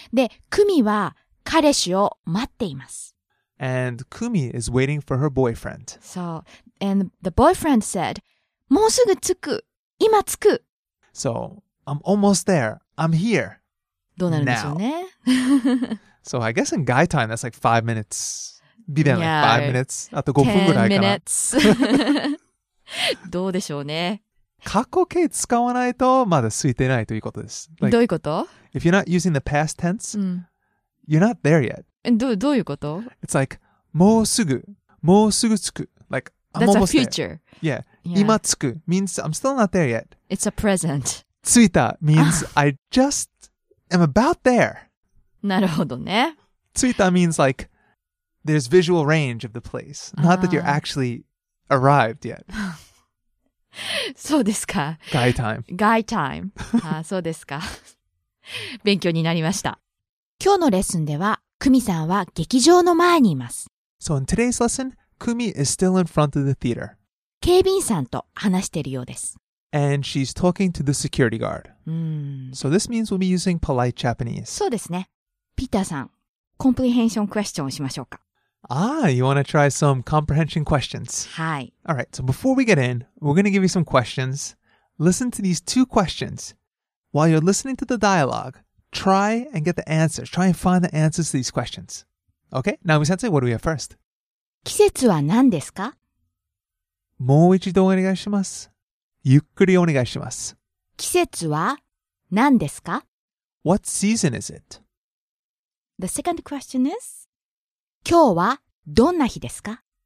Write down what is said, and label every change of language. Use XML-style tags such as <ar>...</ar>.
<ja>で、クミは彼氏を待っています。</ja> <en>And Kumi is waiting for her boyfriend. So, and the boyfriend said, もうすぐ着く。今着く。 So, I'm almost there. I'm here.</en> <ja>どうなるんでしょうね。</ja> <en>So, I guess in guy time, that's like 5 minutes. Be there like 5 minutes. あと5分ぐらいかな。</en> <ja>10 minutes. どうでしょうね。過去形使わないとまだ空いてないということです。 Like, どういうこと</ja> <en>?If you're not using the past tense,、うん、you're not there yet.</en> <ja>どういうこと</ja> <en>?It's like, もうすぐ、もうすぐ着く。 Like, I'm That's almost a future. There. Yeah. Yeah. 今着く means I'm still not there yet. It's a present. 着いた means I just am about there.</en> <ja>なるほどね。</ja> <en>着いた means like, there's visual range of the place. Not that you're actually arrived yet.</en> <ja>そうですか。</ja> <en>Guy time.</en> <ja>Guy time. あ、そうですか。勉強になりました。今日のレッスンでは、クミさんは劇場の前にいます。</ja> <en>So in today's lesson, Kumi is still in front of the theater.</en> <ja>警備員さんと話しているようです。</ja> <en>And she's talking to the security guard. So this means we'll be using polite Japanese.</en> <ja>そうですね。ピーターさん、コンプリヘンションクエスチョンをしましょうか。</ja> <en>Ah, you want to try some comprehension questions? Hi. All right, so before we get in, we're going to give you some questions. Listen to these two questions. While you're listening to the dialogue, try and get the answers. Try and find the answers to these questions. Okay, Naomi-sensei, what do we have first?</en> <ja>季節は何ですか? もう一度お願いします。ゆっくりお願いします。季節は何ですか?</ja> <en>What season is it? The second question is?</en> <ja>今日はどんな日ですか?</ja>